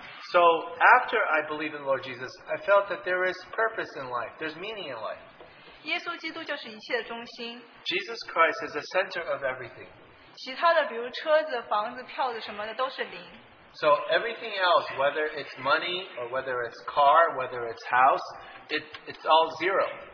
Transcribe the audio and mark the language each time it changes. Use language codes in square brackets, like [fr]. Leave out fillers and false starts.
[en] so after I believe in the Lord Jesus, I felt that there is purpose in life, there's meaning in life. Jesus Christ is the center of everything. [zh] 其他的比如车子, 房子, 票子什么的都是零。 [en] So everything else, whether it's money or whether it's car, whether it's house, it's all zero.